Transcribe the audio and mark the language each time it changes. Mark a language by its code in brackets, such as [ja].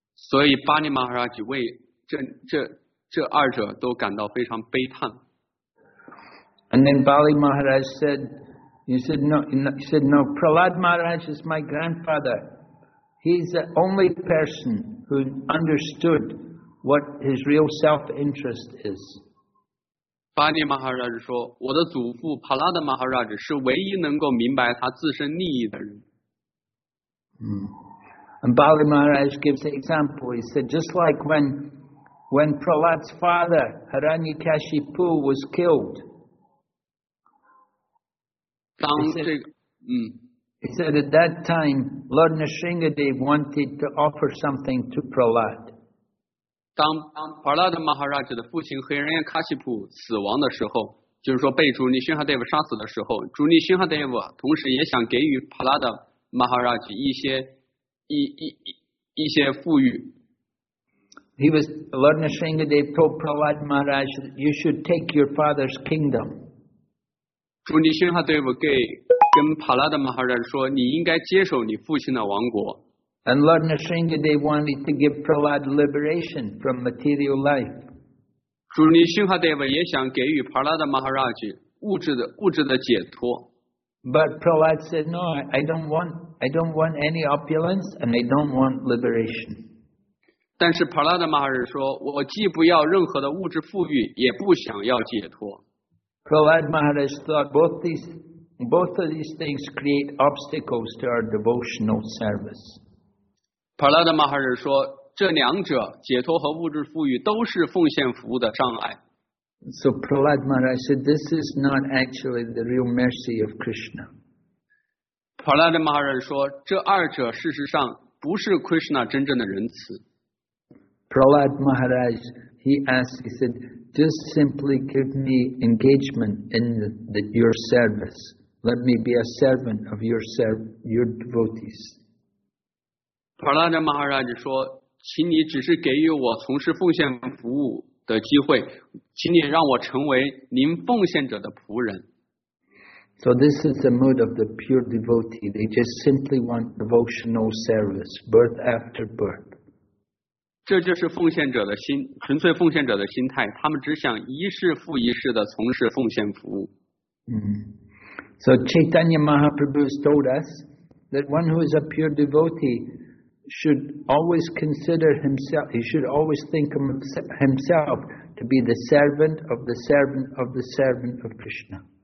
[zh] 所以 Bali Maharaj 为 这二者都感到非常悲叹。 [en] And then Bali Maharaj said, he said, no, Prahlad Maharaj is my grandfather. He's the only person who understood what his real self-interest is. [zh] 巴尼马哈拉日说，我的祖父帕拉德马哈拉日是唯一能够明白他自身利益的人。 [en] And Bali Maharaj gives the example. He said, just like when Prahlad's father, Hiranyakashipu, was killed, he said at that time, Lord Nrisimhadev wanted to offer something to Prahlad. [zh] 当 Prahlad Maharaj 的父亲 Hiranyakashipu 死亡的时候，就是说被主尼辛哈德夫杀死的时候，主尼辛哈德夫同时也想给予帕拉的马哈拉吉一些富裕。 [en] He was Lord Nrisimhadev told Prahlad Maharaj, "You should take your father's kingdom." [zh] 主尼辛哈德夫跟帕拉的马哈拉说，你应该接受你父亲的王国。 [en] And Lord Nrisimhadev wanted to give Prahlad liberation from material life. [zh] 主尼辛哈德夫也想给予帕拉的马哈拉吉物质的解脱。 [en] But Prahlad said, "No, I don't want any opulence, and I don't want liberation." [zh] 但是帕拉的马哈拉吉说，我既不要任何的物质富裕，也不想要解脱。 [en] Prahlad Maharaj thought both of these things create obstacles to our devotional service. [zh] 帕拉的马哈拉吉说。这两者，解脱和物质富裕，都是奉献服务的障碍。 [en] So Prahlad Maharaj said, "This is not actually the real mercy of Krishna." [zh] Prahlad Maharaj 说，这二者事实上不是 Krishna 真正的仁慈。 [en] Prahlad Maharaj he asked, he said, "Just simply give me engagement in your service. Let me be a servant of your devotees." [zh] Prahlad Maharaj 说。请你只是给予我从事奉献服务的机会，请你让我成为您奉献者的仆人。 [en] So this is the mood of the pure devotee. They just simply want devotional service, birth after birth. [zh] 这就是奉献者的心，纯粹奉献者的心态。他们只想一世复一世的从事奉献服务。 [en] So Chaitanya Mahaprabhu told us that one who is a pure devotee. Should always consider himself. He should always think of himself to be the servant of the servant of the servant of Krishna.